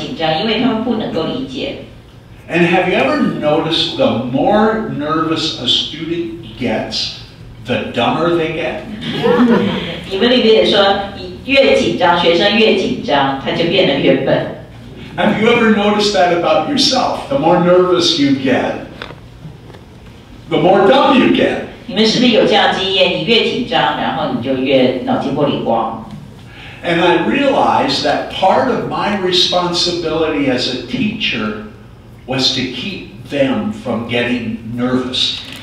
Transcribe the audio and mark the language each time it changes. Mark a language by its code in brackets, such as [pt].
[zh] 因为学生呢会非常的紧张，因为他们不能够理解。 [en] And have you ever noticed the more nervous a student gets, the dumber they get? [zh] 你们里面也说，越紧张，学生越紧张，他就变得越笨。 [en] Have you ever noticed that about yourself? The more nervous you get, the more dumb you get. [zh] 你们是不是有这样经验？你越紧张，然后你就越脑筋玻璃光。 [en] And I realized that part of my responsibility as a teacher was to keep them from getting nervous.